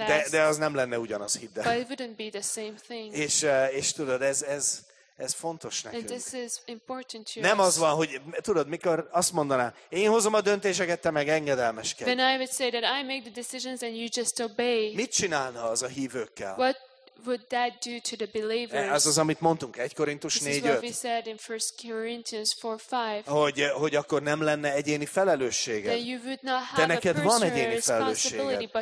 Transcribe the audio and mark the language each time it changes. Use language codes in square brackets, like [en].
[hu] De az nem lenne ugyanaz, hidd el. [en] But it wouldn't be the same thing. [hu] És tudod, ez fontos nekünk. [en] And this is important to [hu] nem [en] us. [hu] Az van, hogy tudod, mikor azt mondaná, én hozom a döntéseket, te meg engedelmeskedj. [en] Then I would say that I make the decisions and you just obey. [hu] Mit csinálna az a hívőkkel? [en] What would that do to the believers? [hu] Ez az, amit mondtunk, 1 Korintus 4:5. [en] This is what we said in 1 Corinthians 4:5. [hu] Hogy akkor nem lenne egyéni felelősséged. [en] That you would not have [hu] te neked a van egyéni felelősséged.